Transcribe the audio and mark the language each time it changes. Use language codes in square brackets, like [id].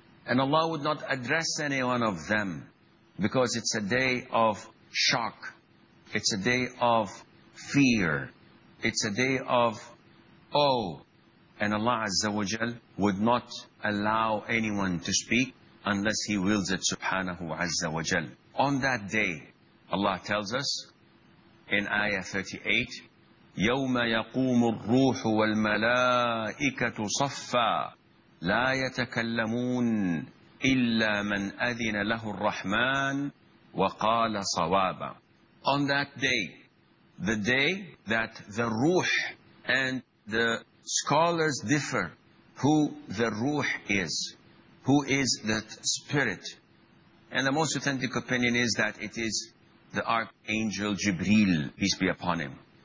[en] And Allah would not address any one of them, because it's a day of shock. It's a day of fear. It's a day of awe. And Allah Azza wa Jal would not allow anyone to speak unless He wills it, subhanahu Azza wa Jal. On that day, Allah tells us in Ayah 38, [ar] يَوْمَ يَقُومُ الرُّوحُ وَالْمَلَائِكَةُ صَفَّا لَا يَتَكَلَّمُونَ إِلَّا مَنْ أَذِنَ لَهُ الرَّحْمَانُ وَقَالَ صَوَابًا. [en] On that day, the day that the ruh, and the scholars differ who the ruh is, who is that spirit. And the most authentic opinion is that it is the archangel Jibreel, peace be upon him.